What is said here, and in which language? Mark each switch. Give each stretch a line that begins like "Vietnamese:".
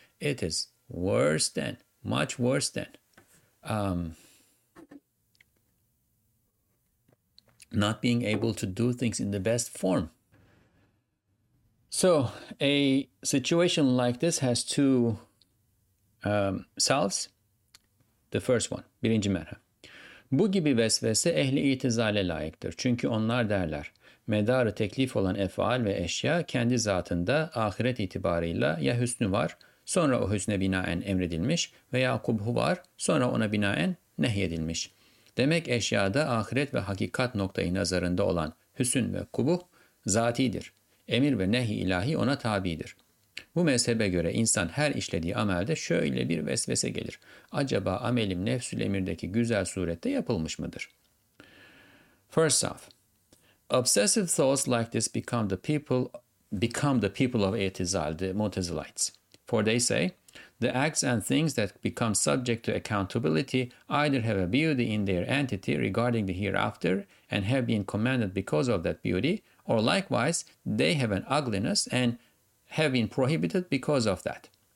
English: It is worse than, much worse than, not being able to do things in the best form. So a situation like this has two selves. The first one,
Turkish: birinci merha. Bu gibi vesvese ehli itizale layıktır. Çünkü onlar derler, medarı teklif olan efal ve eşya kendi zatında ahiret itibarıyla ya hüsnü var, sonra o hüsne binaen emredilmiş veya kubhu var, sonra ona binaen nehyedilmiş. Demek eşyada ahiret ve hakikat noktayı nazarında olan hüsn ve kubuh zatidir. Emir ve nehi ilahi ona tabidir. Bu mezhebe göre insan her işlediği amelde şöyle bir vesvese gelir. Acaba amelim nefsül emirdeki güzel surette yapılmış mıdır?
English: First off, obsessive thoughts like this become the people of itizal, the Mu'tazilites. For they say, the acts and things that become subject to accountability either have a beauty in their entity regarding the hereafter and have been commanded because of that beauty, or likewise, they have an ugliness and have been prohibited because of that.